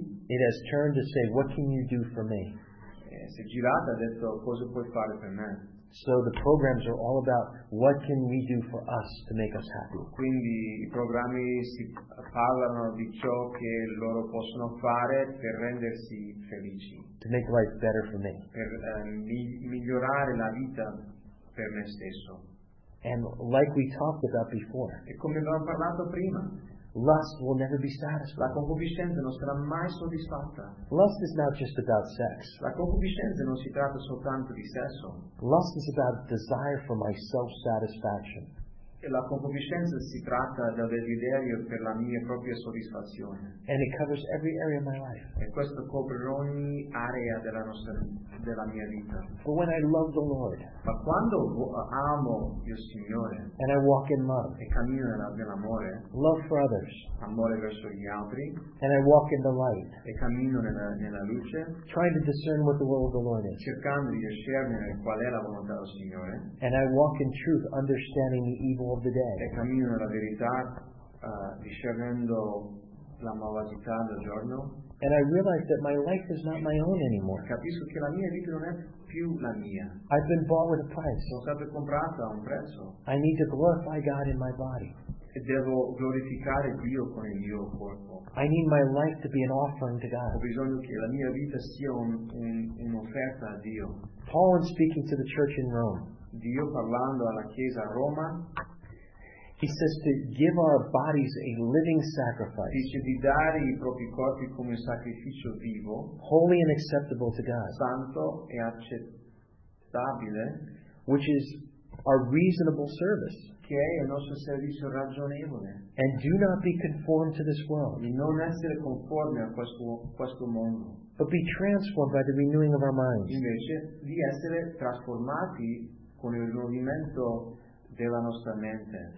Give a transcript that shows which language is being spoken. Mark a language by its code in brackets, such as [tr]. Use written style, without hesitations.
[en] it has turned to say, what can you do for me? [it] Si è girata, ha detto, cosa puoi fare per me? [en] So the programs are all about what can we do for us to make us happy. [it] Quindi i programmi si parlano di ciò che loro possono fare per rendersi felici. [en] To make life better for me. [it] Per migliorare la vita per me stesso. [en] And like we talked about before. [it] E come abbiamo parlato prima. [en] Lust will never be satisfied. [it] La concupiscenza non sarà mai soddisfatta. [en] Lust is not just about sex. [it] La concupiscenza non si tratta soltanto di sesso. [en] Lust is about desire for my self-satisfaction. [it] E la concupiscenza si tratta del desiderio per la mia propria soddisfazione. [en] And it covers every area of my life. [it] E questo copre ogni area della mia vita. [en] But when I love the Lord. [it] Ma quando amo il Signore. [en] And I walk in love. [it] E cammino nell'amore. [en] Love for others. [it] Amore verso gli altri. [en] And I walk in the light. [it] E cammino nella luce. [en] Trying to discern what the will of the Lord is. [it] Cercando di discernere qual è la volontà del Signore. [en] And I walk in truth, understanding the evil of the day. [it] E cammino nella verità, discernendo la malvagità del giorno. [en] And I realize that my life is not my own anymore. [it] Capisco che la mia vita non è più la mia. [en] I've been bought with a price. [it] Sono stato comprato a un prezzo. [en] I need to glorify God in my body. [it] E devo glorificare Dio con il mio corpo. [en] I need my life to be an offering to God. [it] Ho bisogno che la mia vita sia un'offerta a Dio. [en] Paul, in speaking to the church in Rome, [it] Dio parlando alla chiesa a Roma, [en] he says to give our bodies a living sacrifice. [it] Dice di dare i propri corpi come sacrificio vivo, [en] holy and acceptable to God. [it] Santo e accettabile, [en] which is our reasonable service. [it] Che è il nostro servizio ragionevole. [en] And do not be conformed to this world. [it] E non essere conformi a questo mondo. [en] But be transformed by the renewing of our minds. [it] Invece di essere trasformati con il rinnovamento della nostra mente.